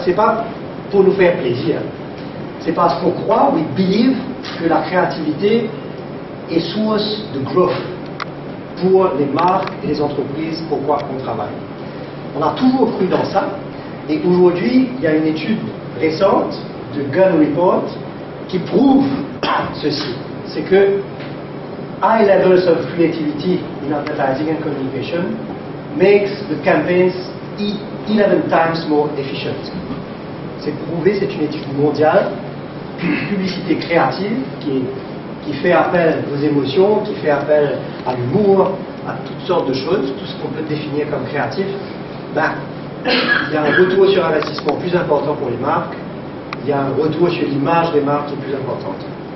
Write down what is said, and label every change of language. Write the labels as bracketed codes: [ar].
[fr] C'est pas pour nous faire plaisir. C'est parce qu'on croit, [en] we believe, [fr] que la créativité est source de growth pour les marques et les entreprises pour quoi qu'on travaille. On a toujours cru dans ça, et aujourd'hui, il y a une étude récente de Gun Report qui prouve ceci. C'est que [en] high levels of creativity in advertising and communication makes the campaigns 11 times more efficient. [fr] C'est prouvé, c'est une étude mondiale. Une publicité créative qui fait appel aux émotions, qui fait appel à l'humour, à toutes sortes de choses, tout ce qu'on peut définir comme créatif, il y a un retour sur investissement plus important pour les marques, il y a un retour sur l'image des marques qui est plus importante.